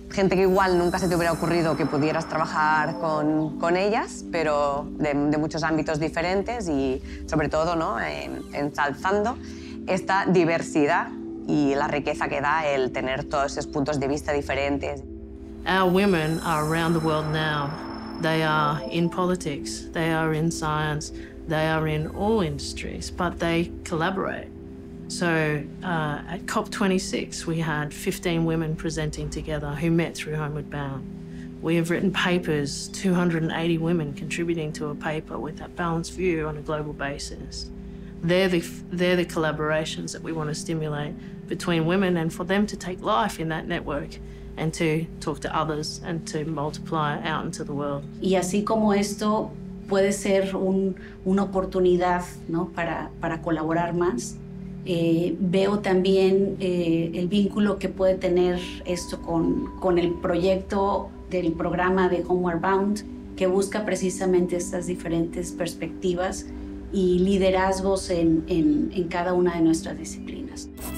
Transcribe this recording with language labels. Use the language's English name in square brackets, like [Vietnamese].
[Spanish] Gente que igual nunca se te hubiera ocurrido que pudieras trabajar con ellas, pero de muchos ámbitos diferentes y sobre todo, ¿no?, ensalzando esta diversidad y la riqueza que da el tener todos esos puntos de vista diferentes. [English] Our women are around the world now. They are in politics, they are in science, they are in all industries, but they collaborate. So at COP26, we had 15 women presenting together who met through Homeward Bound. We have written papers, 280 women contributing to a paper with that balanced view on a global basis. They're the collaborations that we want to stimulate between women and for them to take life in that network and to talk to others and to multiply out into the world. [Spanish] Y así como esto puede ser una oportunidad, ¿no?, para colaborar más. Veo también el vínculo que puede tener esto con el proyecto del programa de Homeward Bound, que busca precisamente estas diferentes perspectivas y liderazgos en cada una de nuestras disciplinas.